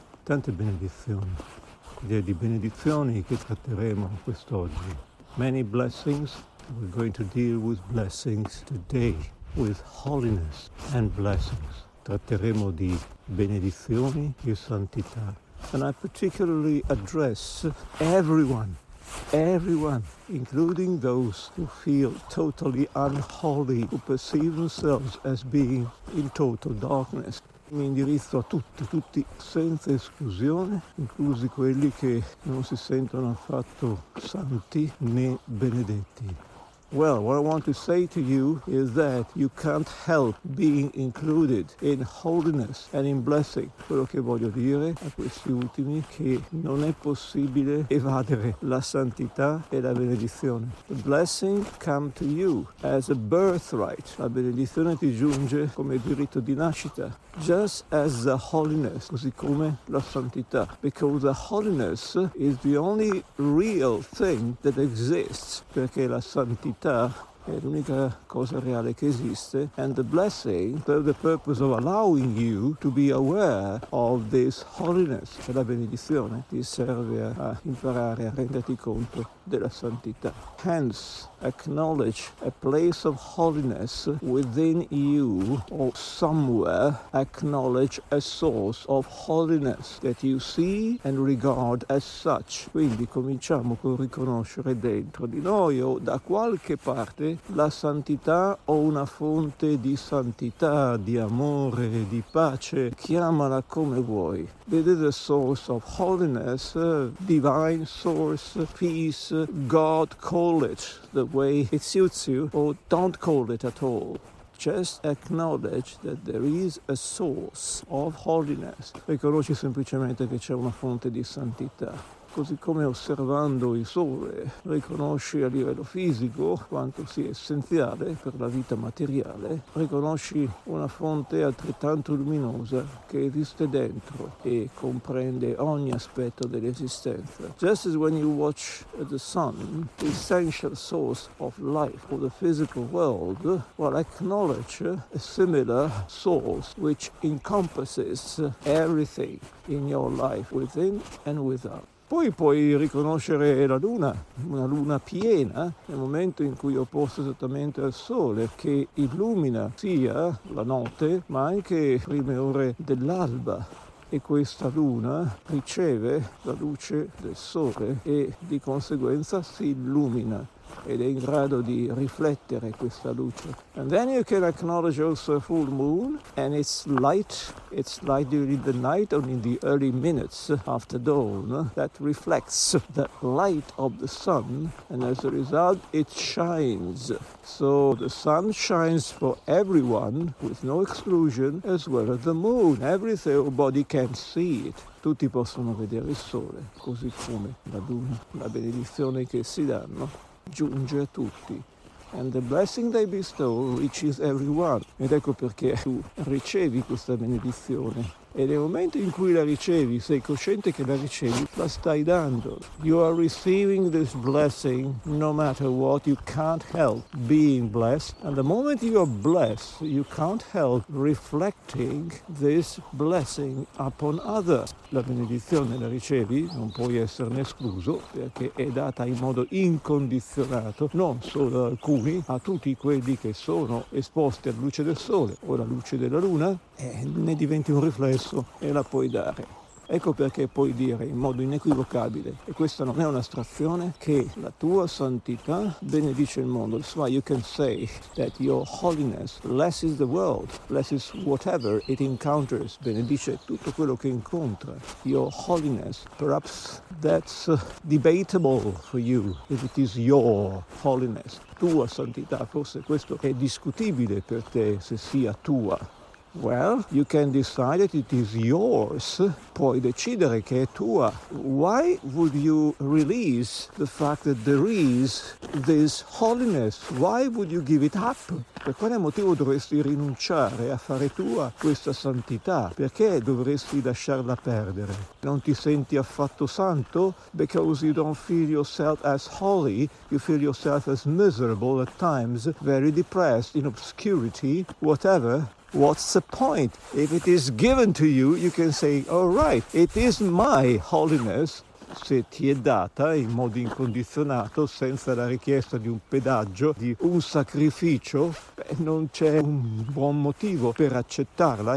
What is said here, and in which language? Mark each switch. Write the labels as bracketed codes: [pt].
[it] Tante benedizioni, idee di benedizioni che tratteremo quest'oggi. [en] Many blessings, we're going to deal with blessings today, with holiness and blessings. [it] Tratteremo di benedizioni e santità. [en] And I particularly address everyone, including those who feel totally unholy, who perceive themselves as being in total darkness. [it] Mi indirizzo a tutti, senza esclusione, inclusi quelli che non si sentono affatto santi né benedetti. [en] Well, what I want to say to you is that you can't help being included in holiness and in blessing. [it] Quello che voglio dire a questi ultimi è che non è possibile evadere la santità e la benedizione. [en] The blessing come to you as a birthright. [it] La benedizione ti giunge come diritto di nascita. [en] Just as the holiness, [it] così come la santità. [en] Because the holiness is the only real thing that exists. [it] Perché la santità è l'unica cosa reale che esiste, [en] and the blessing serve the purpose of allowing you to be aware of this holiness. [it] E la benedizione ti serve a imparare a renderti conto della santità. [en] Hence, acknowledge a place of holiness within you, or somewhere acknowledge a source of holiness that you see and regard as such. [it] Quindi cominciamo con riconoscere dentro di noi o da qualche parte la santità o una fonte di santità, di amore, di pace. Chiamala come vuoi. [en] It is a source of holiness, divine source, peace, God, call it the way it suits you, or don't call it at all. Just acknowledge that there is a source of holiness. [it] Riconosci semplicemente che c'è una fonte di santità. Così come osservando il sole, riconosci a livello fisico quanto sia essenziale per la vita materiale, riconosci una fonte altrettanto luminosa che esiste dentro e comprende ogni aspetto dell'esistenza. [en] Just as when you watch the sun, the essential source of life for the physical world, well, acknowledge a similar source which encompasses everything in your life within and without. [it] Poi puoi riconoscere la luna, una luna piena, nel momento in cui è opposta esattamente al sole, che illumina sia la notte, ma anche le prime ore dell'alba. E questa luna riceve la luce del sole e di conseguenza si illumina ed è in grado di riflettere questa luce. [en] And then you can acknowledge also a full moon and its light during the night or in the early minutes after dawn that reflects the light of the sun, and as a result it shines. So the sun shines for everyone with no exclusion, as well as the moon. Everything or body can see it. [it] Tutti possono vedere il sole, così come la luna. La benedizione che si danno giunge a tutti, [en] and the blessing they bestow reaches everyone. [it] Ed ecco perché tu ricevi questa benedizione, e nel momento in cui la ricevi sei cosciente che la ricevi, la stai dando. [en] You are receiving this blessing no matter what. You can't help being blessed, and the moment you are blessed you can't help reflecting this blessing upon others. [it] La benedizione la ricevi, non puoi esserne escluso, perché è data in modo incondizionato non solo ad alcuni, a tutti quelli che sono esposti alla luce del sole o alla luce della luna, e ne diventi un riflesso e la puoi dare. Ecco perché puoi dire in modo inequivocabile, e questa non è un'astrazione, che la tua santità benedice il mondo. [en] That's why you can say that your holiness blesses the world, blesses whatever it encounters, [it] benedice tutto quello che incontra. [en] Your holiness, perhaps that's debatable for you, if it is your holiness. [it] Tua santità, forse questo è discutibile per te, se sia tua. [en] Well, you can decide that it is yours. [it] Puoi decidere che è tua. [en] Why would you release the fact that there is this holiness? Why would you give it up? [it] Per quale motivo dovresti rinunciare a fare tua questa santità? Perché dovresti lasciarla perdere? Non ti senti affatto santo? [en] Because you don't feel yourself as holy, you feel yourself as miserable at times, very depressed, in obscurity, whatever. what's the point? If it is given to you, you can say, all right, it is my holiness, [it] se ti è data in modo incondizionato, senza la richiesta di un pedaggio, di un sacrificio, non c'è un buon motivo per accettarla.